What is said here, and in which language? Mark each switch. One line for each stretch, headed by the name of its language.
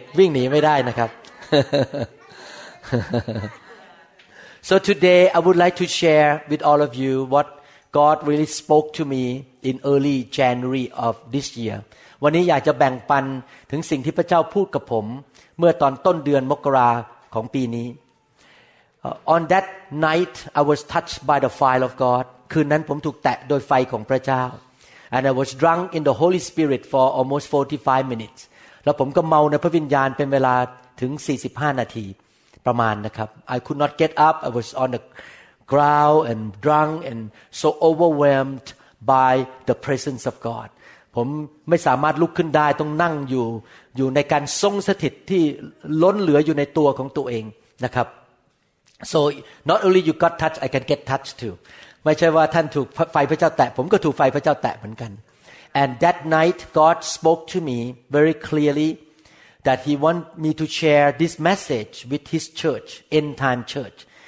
Thai: วิ่งหนีไม่ได้นะครับ
English: So today I would like to share with all of you what God really spoke to me in early January of this year.
Thai: วันนี้อยากจะแบ่งปันถึงสิ่งที่พระเจ้าพูดกับผมเมื่อตอนต้นเดือนมกราของปีนี้
English: On that night I was touched by the fire of God.
Thai: คืนนั้นผมถูกแตะโดยไฟของพระเจ้า
English: And I was drunk in the Holy Spirit for almost 45 minutes.
Thai: แล้วผมก็เมาในพระวิญญาณเป็นเวลาถึง45นาทีประมาณนะครับ
English: I could not get up. I was on theGrow and drunk and so overwhelmed by the presence of God.
Thai: ผมไม่สามารถลุกขึ้นได้ต้องนั่งอยู่ในการทรงสถิตที่ล้นเหลืออยู่ในตัวของตัวเองนะครับ
English: So not only you got touched, I can get touched too.
Thai: ไม่ใช่ว่าท่านถูกไฟพระเจ้าแตะผมก็ถูกไฟพระเจ้าแตะเหมือนกัน
English: And that night God spoke to me very clearly that He want me to share this message with His church, End Time Church.